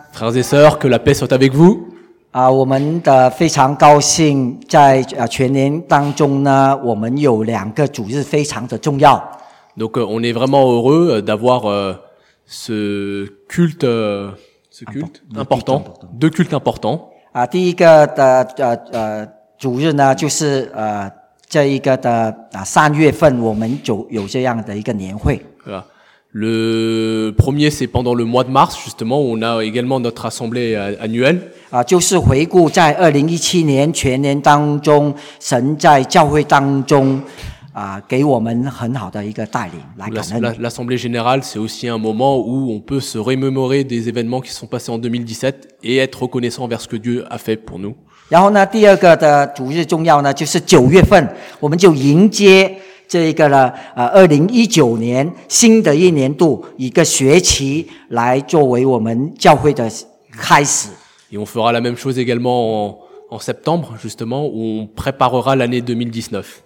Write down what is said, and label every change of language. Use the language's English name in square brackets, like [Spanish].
[French] Frères et sœurs, que la paix soit avec vous. [Chinese] 我们的非常高兴，在全年当中呢，我们有两个主日非常的重要。 [French] Donc, on est vraiment heureux d'avoir ce culte, ce culte important, deux cultes importants. [Chinese] 第一个的主日呢，就是这一个的三月份，我们有这样的一个年会。 [French] Le premier, c'est pendant le mois de mars, justement, où on a également notre assemblée annuelle. [Chinese] 就是回顾在2017年全年当中，神在教会当中，给我们很好的一个带领，来感恩。 [French] L'assemblée générale, c'est aussi un moment où on peut se remémorer des événements qui sont passés en 2017 et être reconnaissant envers ce que Dieu a fait pour nous. [Chinese] 然后呢，第二个的主日重要呢，就是九月份，我们就迎接这一个呢，2019年新的一年度，一个学期来作为我们教会的开始。 [French] Et on fera la même chose également en septembre, justement, où on préparera l'année 2019.